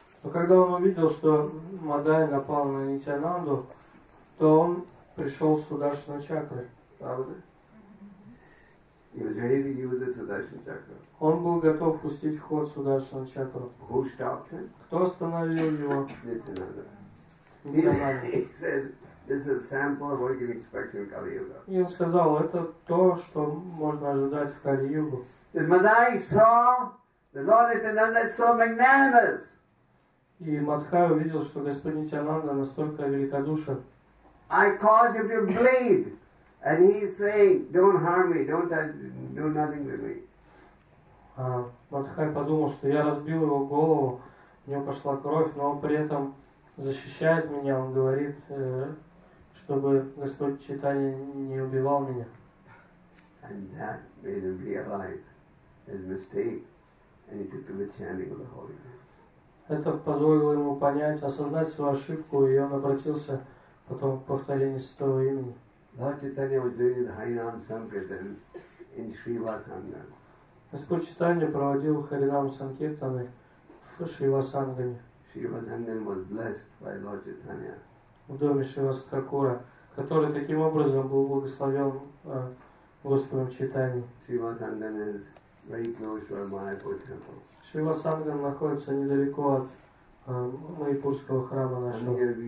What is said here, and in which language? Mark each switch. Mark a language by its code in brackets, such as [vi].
[ru] Но когда он увидел, что Мадай напал на Нитянанду, то он пришел с Сударшиной чакрой. Правда? [en] He was ready to use the Sudarshan Chakra. [ru] Он был готов пустить в ход Сударшину чакру. [en] Who stopped him? [ru] Кто остановил его? [en] Nityananda. He said, "This is a sample of what you can expect in Kali Yuga." [ru] И он сказал, это то, что можно ожидать в Кали Югу. [en] Мадай saw the Lord Nityananda so magnanimous. [ru] И Мадхай увидел, что Господь Нитянанда настолько великодушен. [en] I cause him to bleed, and he's saying, "Don't harm me. Don't do nothing to me." [ru] Мадхай подумал, что я разбил его голову, у него пошла кровь, но он при этом защищает меня. Он говорит, чтобы Господь Читания не убивал меня. [en] And that made him realize his mistake, and he took to the chanting of the holy name. [ru] Это позволило ему понять, осознать свою ошибку, и он обратился потом к повторению святого имени. [en] Lord Chaitanya was doing the Harinam Sankirtan in Shrivasangam. [ru] Господь Читания проводил Харинам Санкиртаны в Шривасангаме. [en] Shrivasangam was blessed by Lord Chaitanya. [ru] В доме Шривасакура, который таким образом был благословен Господом Читани. [en] Shrivasangam is very close to our Mayapur temple. [ru] Шривасангам находится недалеко от Майпурского храма нашего.